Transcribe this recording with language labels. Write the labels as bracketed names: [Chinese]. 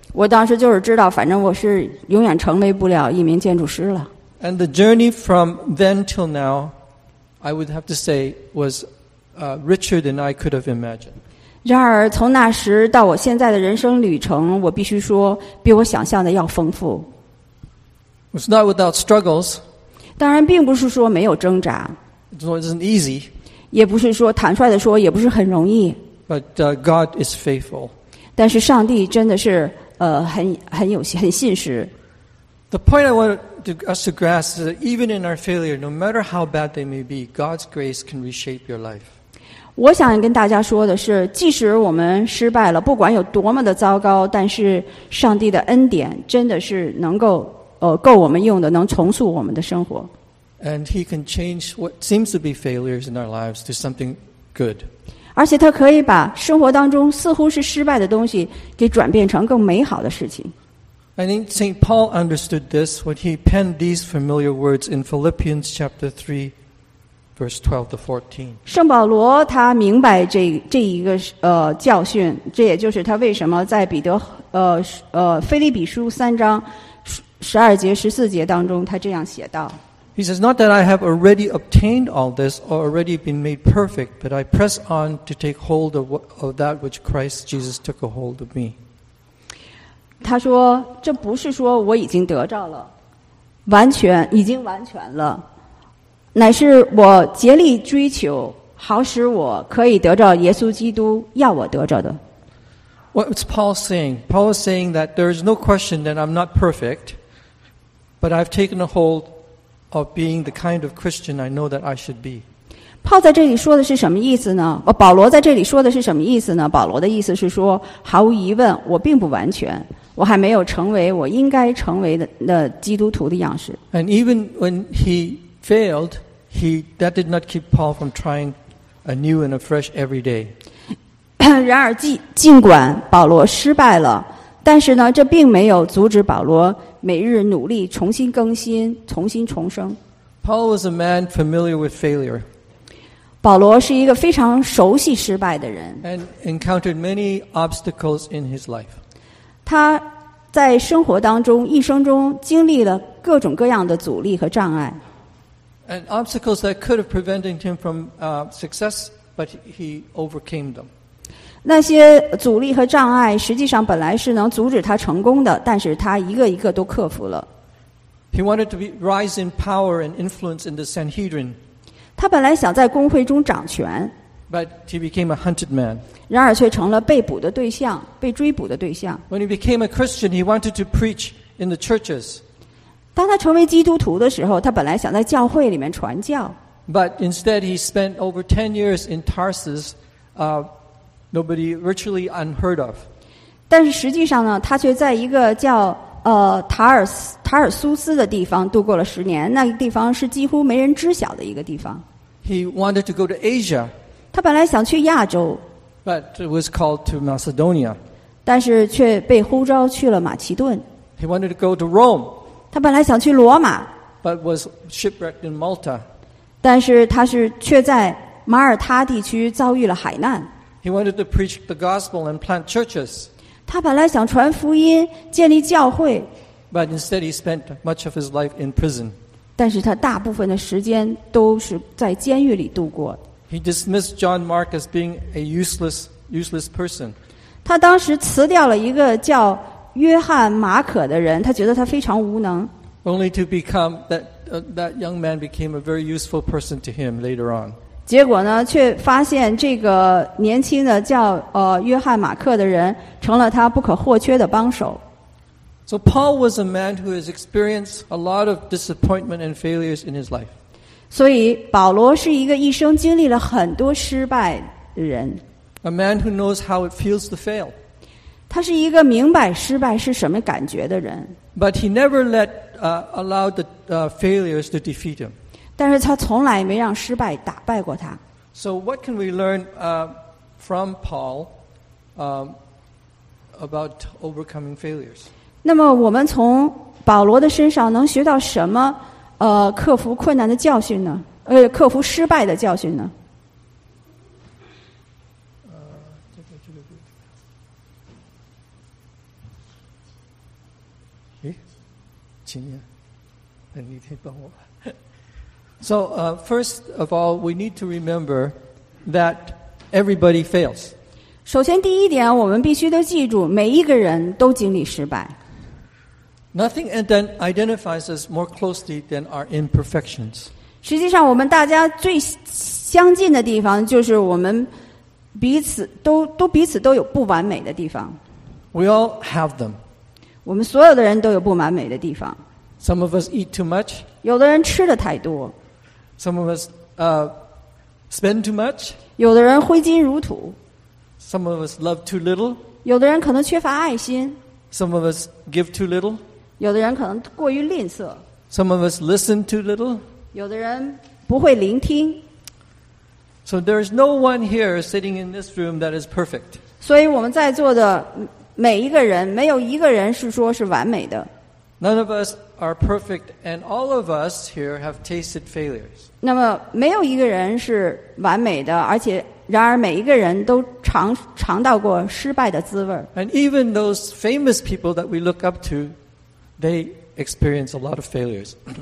[Chinese] 我当时就是知道，反正我是永远成为不了一名建筑师了。 [English] And the journey from then till now, I would have to say, was richer than I could have imagined. [Chinese] 然而，从那时到我现在的人生旅程，我必须说，比我想象的要丰富。 [English] It's not without struggles. [Chinese] 当然并不是说没有挣扎。 [English] It wasn't easy. [Chinese] 也不是说坦率地说也不是很容易。 [English] But God is faithful. [Chinese] 但是上帝真的是很信实。 [English] The point I want us to grasp is that even in our failure, no matter how bad they may be, God's grace can reshape your life. [Chinese] 我想跟大家说的是，即使我们失败了，不管有多么的糟糕，但是上帝的恩典真的是能够够我们用的，能重塑我们的生活。 [English] And he can change what seems to be failures in our lives to something good. [Chinese] 而且他可以把生活当中似乎是失败的东西给转变成更美好的事情。 [English] I think St. Paul understood this when he penned these familiar words in Philippians chapter 3, verse 12 to 14. [Chinese] 圣保罗他明白这一个教训，这也就是他为什么在彼得腓立比书三章十二节十四节当中他这样写道。 [English] He He says, not that I have already obtained all this or already been made perfect, but I press on to take hold of that which Christ Jesus took a hold of me. [Chinese] 他说，这不是说我已经得着了，完全，已经完全了，乃是我竭力追求，好使我可以得着耶稣基督要我得着的。 [English] What's Paul saying? Paul is saying that there is no question that I'm not perfect, but I've taken a hold of being the kind of Christian I know that I should be. [Chinese] Paul 在这里说的是什么意思呢？保罗在这里说的是什么意思呢？保罗的意思是说，毫无疑问，我并不完全，我还没有成为我应该成为的基督徒的样式。 [English] And even when he failed, that did not keep Paul from trying anew and afresh every day. [Chinese] 然而尽管保罗失败了，但是呢，这并没有阻止保罗每日努力，重新更新，重新重生。 [English] Paul was a man familiar with failure. [Chinese] 保罗是一个非常熟悉失败的人。 [English] And encountered many obstacles in his life. [Chinese] 他在生活当中，一生中经历了各种各样的阻力和障碍。 [English] And obstacles that could have prevented him from success, but he overcame them. [Chinese] 那些阻力和障碍实际上本来是能阻止他成功的，但是他一个一个都克服了。 [English] He wanted to rise in power and influence in the Sanhedrin. [Chinese] 他本来想在公会中掌权。 [English] But he became a hunted man. [Chinese] 然而却成了被捕的对象，被追捕的对象。 [English] When he became a Christian, he wanted to preach in the churches. [Chinese] 当他成为基督徒的时候，他本来想在教会里面传教。 [English] But instead, he spent over 10 years in Tarsus, nobody virtually unheard of. [Chinese] 但是实际上呢，他却在一个叫塔尔苏斯的地方度过了10年，那个地方是几乎没人知晓的一个地方。 [English] He wanted to go to Asia. [Chinese] 他本来想去亚洲。 [English] But it was called to Macedonia. [Chinese] 但是却被呼召去了马其顿。 [English] He wanted to go to Rome. [Chinese] 他本来想去罗马。 [English] But was shipwrecked in Malta. [Chinese] 但是他是却在马耳他地区遭遇了海难。 [English] He wanted to preach the gospel and plant churches. [Chinese] 他本来想传福音，建立教会。 [English] But instead, he spent much of his life in prison. [Chinese] 但是他大部分的时间都是在监狱里度过。 [English] He dismissed John Mark as being a useless person. [Chinese] 他当时辞掉了一个叫约翰·马可的人，他觉得他非常无能。 [English] Only to become that young man became a very useful person to him later on. [Chinese] 结果呢，却发现这个年轻的叫约翰马克的人成了他不可或缺的帮手。 [English] So Paul was a man who has experienced a lot of disappointment and failures in his life. [Chinese] 所以保罗是一个一生经历了很多失败的人。 [English] A man who knows how it feels to fail. [Chinese] 他是一个明白失败是什么感觉的人。 [English] But he never let allowed the failures to defeat him. [Chinese] 但是他从来没让失败打败过他。 [English] So what can we learn from Paul about overcoming failures? [Chinese] 那么我们从保罗的身上能学到什么克服困难的教训呢？克服失败的教训呢？请你，那你得帮我。 [English] So, first of all, we need to remember that everybody fails. [Chinese] 首先第一点，我们必须都记住，每一个人都经历失败。 [English] Nothing identifies us more closely than our imperfections. [Chinese] 实际上，我们大家最相近的地方就是我们彼此都有不完美的地方。 [English] We all have them. [Chinese] 我们所有的人都有不完美的地方。 [English] Some of us eat too much. [Chinese] 有的人吃的太多。 [English] Some of us spend too much. [Chinese] 有的人挥金如土。 [English] Some of us love too little. [Chinese] 有的人可能缺乏爱心。 [English] Some of us give too little. [Chinese] 有的人可能过于吝啬。 [English] Some of us listen too little. [Chinese] 有的人不会聆听。 [English] So there is no one here sitting in this room that is perfect. [Chinese] 所以我们在座的每一个人，没有一个人是说是完美的。 [English] None of us are perfect, and all of us here have tasted failures. [Chinese] 那么没有一个人是完美的，而且然而每一个人都尝到过失败的滋味。 [English] And even those famous people that we look up to, they experience a lot of failures.